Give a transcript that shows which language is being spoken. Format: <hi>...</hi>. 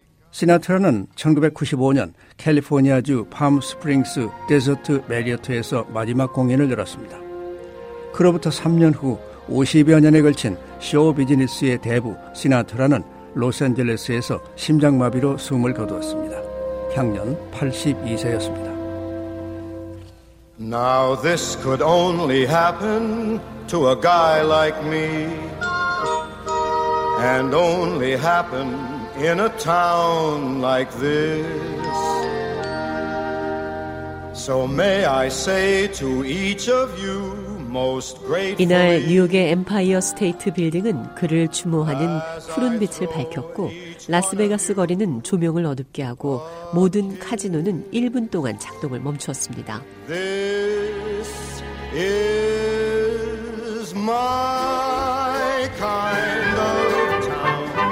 <ko>시나트라는 1995년 캘리포니아주 팜 스프링스 데저트 메리어트에서 마지막 공연을 열었습니다. 그로부터 3년 후 50여 년에 걸친 쇼 비즈니스의 대부 시나트라는 로스앤젤레스에서 심장마비로 숨을 거두었습니다. 향년 82세였습니다.</ko> <en>Now this could only happen to a guy like me and only happen in a town like this. So may I say to each of you most grateful.</en> <ko>이날 뉴욕의 엠파이어 스테이트 빌딩은 그를 추모하는 푸른 빛을 밝혔고 라스베가스 거리는 조명을 어둡게 하고 모든 카지노는 1분 동안 작동을 멈추었습니다.</ko> <en>This is my kind of town.</en>